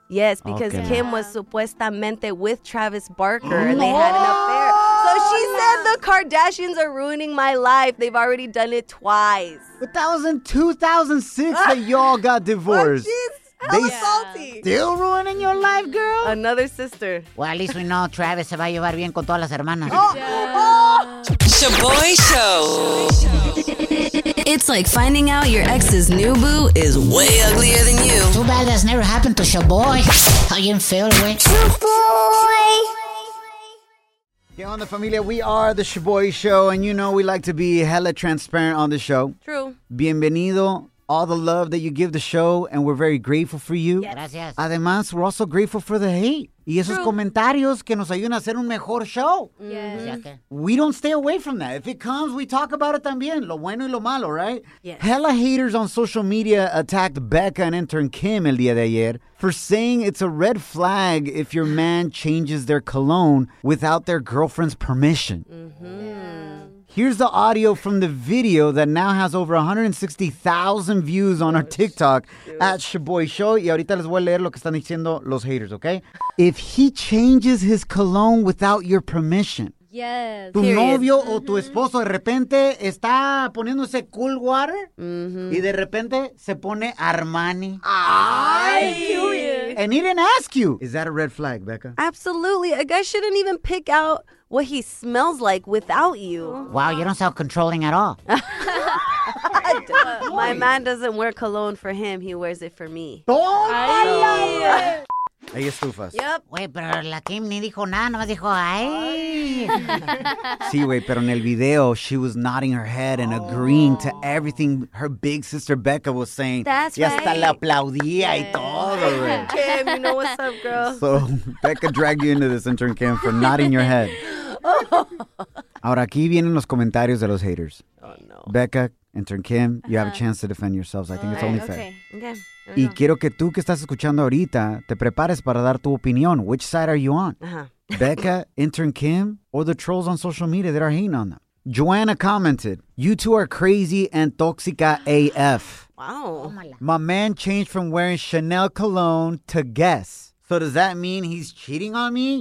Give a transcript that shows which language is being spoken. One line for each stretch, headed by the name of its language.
English: Yes, because Kim was supuestamente with Travis Barker and they had an affair. So she said the Kardashians are ruining my life. They've already done it twice. But that was in 2006 that y'all got divorced. Hella salty. Still ruining your life, girl? Another sister. Well, at least we know
Spanish: Travis se va a llevar bien con todas las hermanas.
English: Shaboy Show. It's like finding out your ex's new boo is way uglier than you. Too bad that's never happened to Shaboy. How you feel, boy? Shaboy. Hey, on the familia, we are the Shaboy Show, and you know we like to be hella transparent on the show. True.
Spanish: Bienvenido,
English: all the love that you give the show, and we're very grateful for you.
Spanish: Gracias. Además,
English: we're also grateful for the hate.
Spanish: Y esos comentarios que nos ayudan a hacer un mejor show.
English: We don't stay away from that. If it comes, we talk about it
Spanish: también. Lo bueno y lo malo,
English: right? Yes. Hella haters on social media attacked Becca and intern Kim
Spanish: el día de ayer
English: for saying it's a red flag if your man changes their cologne without their girlfriend's permission. Here's the audio from the video that now has over 160,000 views on our TikTok at Shaboy Show.
Spanish: Y ahorita les voy a leer lo que están diciendo los haters,
English: okay? If he changes his cologne without your permission. Yes.
Spanish: Tu novio o tu esposo de repente está poniéndose cool water y de repente se pone Armani.
English: And he didn't ask you. Is that a red flag, Becca? Absolutely. A guy shouldn't even pick out what he smells like without you. Wow, you don't sound controlling at all. My man doesn't wear cologne for him. He wears it for me. Oh, I love it.
Spanish: Hay estufas.
English: Yep.
Spanish: Güey, pero la Kim ni dijo nada, nomás dijo, ¡ay! Sí, güey, pero en el video,
English: she was nodding her head and agreeing to everything her big sister Becca was saying. That's
Spanish: y hasta
English: right.
Spanish: La aplaudía
English: yeah.
Spanish: Y todo, güey.
English: Kim, you know what's up, girl. So, Becca dragged you into this intern, Kim, for nodding your head. Oh.
Spanish: Ahora, aquí vienen los comentarios de los haters.
English: Oh, no. Becca, intern Kim, uh-huh. You have a chance to defend yourselves. I think it's only fair. Okay.
Spanish: Y quiero que tú que estás escuchando ahorita te prepares para dar tu opinión.
English: Which side are you on? Uh-huh. Becca, intern Kim, or the trolls on social media that are hating on them? Joanna commented, "You two are crazy and toxica AF." Wow. My man changed from wearing Chanel cologne to Guess. So does that mean he's cheating on me?